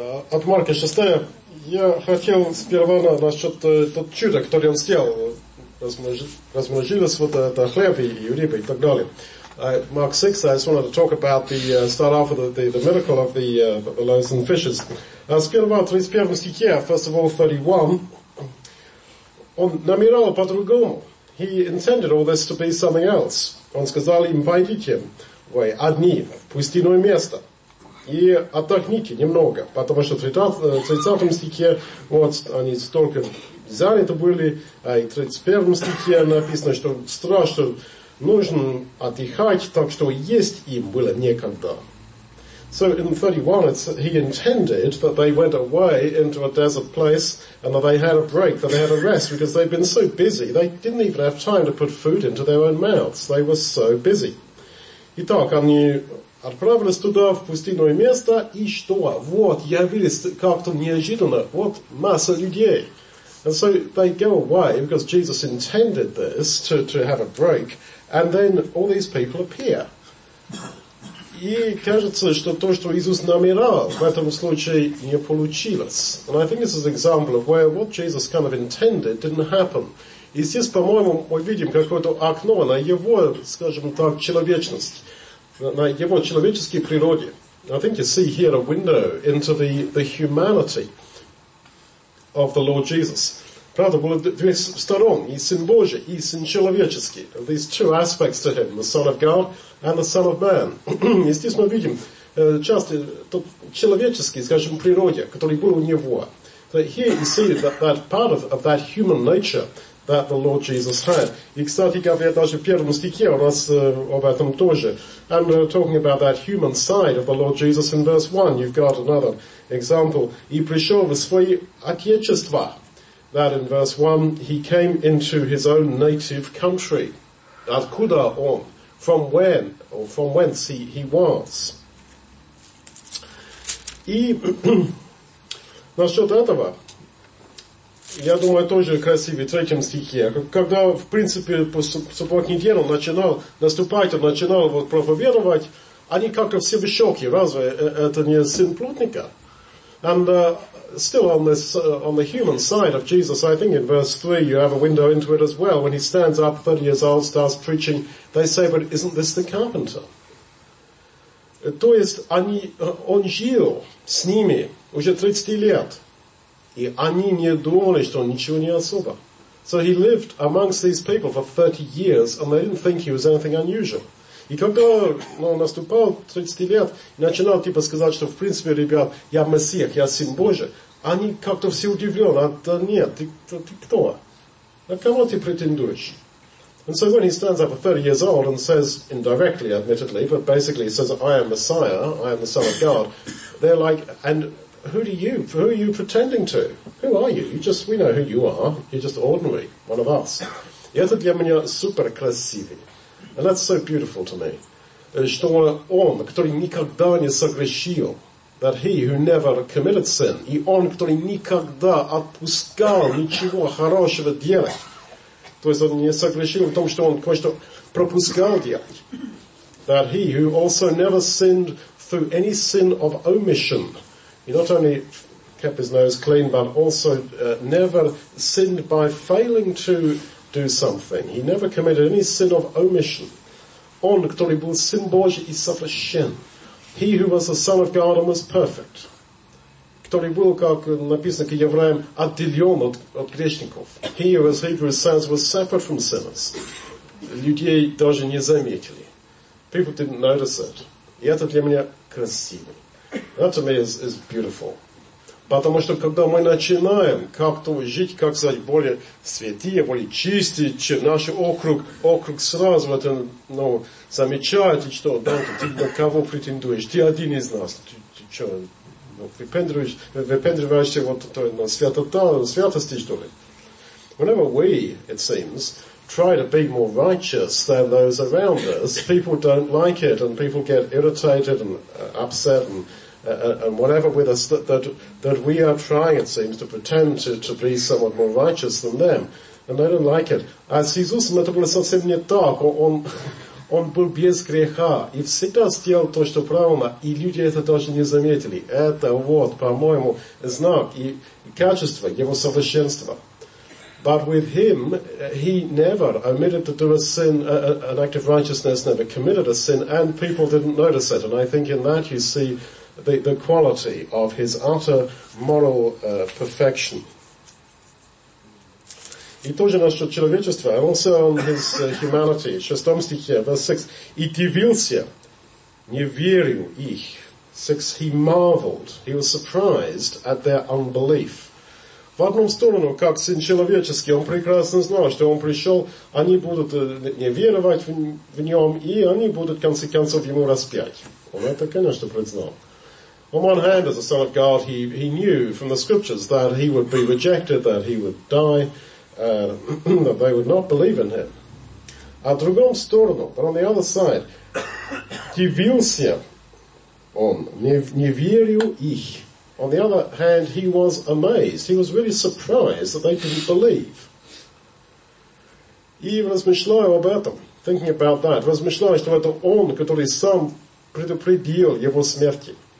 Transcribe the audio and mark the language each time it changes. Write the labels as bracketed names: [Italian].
[Russian] От Марка 6, я хотел сперва насчет тот чуда, который он сделал. Размножились вот это хлеб и рыба и так далее. [English] Mark 6, I just wanted to talk about the start off with the miracle of the loaves and fishes. [Russian] Сперва 31 стихе, [English] first of all 31, [Russian] он намерал по-другому. [English] He intended all this to be something else. [Russian] Он сказал им, пойдите, вы одни, в пустынное место. И отдохните немного, потому что в 30 стихе вот они столько заняты были, а в 31 стихе написано, что страшно, нужно отдыхать, так что есть им было некогда. [English] So in 31 he intended that they went away into a desert place and that they had a break, that they had a rest, because they'd been so busy, they didn't even have time to put food into their own mouths, they were so busy. [Russian] Итак, они отправились туда, в пустынное место, и что? Вот, явились как-то неожиданно, вот масса людей. [English] And so they go away, because Jesus intended this, to have a break, and then all these people appear. [Russian] И кажется, что то, что Иисус намерал, в этом случае не получилось. [English] And I think this is an example of where what Jesus kind of intended didn't happen. [Russian] И здесь, по-моему, мы видим какое-то окно на его, скажем так, человечность. На его человеческой природе. [English] I think you see here a window into the humanity of the Lord Jesus. [Russian] Правда, было две стороны, и Сын Божий, и Сын Человеческий. [English] These two aspects to him, the Son of God and the Son of Man. [Russian] И здесь мы видим часто тот человеческий, скажем, природе, который был у него. [English] But here you see that part of that human nature that the Lord Jesus had. [Russian] И, кстати говоря, даже в первом стихе у нас об этом тоже. [English] And talking about that human side of the Lord Jesus in verse 1, you've got another example. [Russian] И пришел в свое отечество. [English] That in verse 1, he came into his own native country. [Russian] Откуда он? [English] From when? Or from whence he was. [Russian] И насчет этого, я думаю, тоже красивый, в третьем стихе. Когда, в принципе, по субботней неделе он начинал наступать, он начинал вот проповедовать, они как-то все в шоке, разве это не сын плотника? [English] And still on this, on the human side of Jesus, I think in verse 3 you have a window into it as well. When he stands up, 30 years old, starts preaching, they say, but isn't this the carpenter? [Russian] То есть они, он жил с ними уже 30 лет. И они не думали, что он ничего не особо. So he lived amongst these people for 30 years, and they didn't think he was anything unusual. И когда он наступал 30 лет, начинал типа сказать, что в принципе, ребят, я Мессия, я Сын Божий, они как-то все удивлены. А да нет, ты кто? На кого ты претендуешь? [English] And so when he stands up at 30 years old and says, indirectly, admittedly, but basically he says, I am Messiah, I am the Son of God, they're like, and who do you? Who are you pretending to? Who are you? We know who you are. You're just ordinary, one of us. [Russian] И это для меня супер красивый. [English] And that's so beautiful to me. [Russian] Что он, который никогда не согрешил, [English] that he who never committed sin, [Russian] и он, который никогда отпускал ничего хорошего делать, то есть он не согрешил в том, что он кое-что пропускал делать, [English] that he who also never sinned through any sin of omission, he not only kept his nose clean, but also never sinned by failing to do something. He never committed any sin of omission. [Russian] Он, который был Сын Божий и совершен. [English] He who was the Son of God and was perfect. [Russian] Который был, как написано к евреям, отделен от грешников. [English] He who, as Hebrews says, was separate from sinners. [Russian] Людей даже не заметили. [English] People didn't notice it. [Russian] И это для меня красиво. [English] That to me is beautiful. [Russian] Потому что когда мы начинаем как-то жить, как сказать, более святые, более чистые, чем наш округ сразу это, ну, замечает, и что, да, ты на кого претендуешь? Ты один из нас. Ты что, ну, выпендриваешься вот той, на святости, что ли? [English] Whenever we, it seems, try to be more righteous than those around us, people don't like it, and people get irritated and upset and whatever with us that we are trying, it seems, to pretend to be somewhat more righteous than them, and they don't like it. As Jesus, it was not like that. [Russian] Он был без греха и всегда сделал то, что правильно, и люди это даже не заметили. Это вот, по-моему, знак и качество его совершенства. [English] But with him, he never omitted to do a sin, an act of righteousness, never committed a sin, and people didn't notice it. And I think in that you see the quality of his utter moral perfection. [Russian] И тоже наше человечество, [English] and also on his humanity. [Russian] В шестом стихе, [English] verse 6. [Russian] И дивился, не верил их. 6. [English] He marveled, he was surprised at their unbelief. [Russian] В одну сторону, как сын человеческий, он прекрасно знал, что он пришел, они будут не веровать в нем, и они будут, в конце концов, ему распять. Он это, конечно, признал. [English] On one hand, as the Son of God, he knew from the scriptures that he would be rejected, that he would die, that they would not believe in him. [Russian] А в другом сторону, [English] but on the other side, [Russian] дивился он, не верил их. [English] On the other hand, he was amazed. He was really surprised that they couldn't believe. [Russian] И размышляю об этом, [English] thinking about that, [Russian] размышляю, что это он, который сам предупредил его смерти.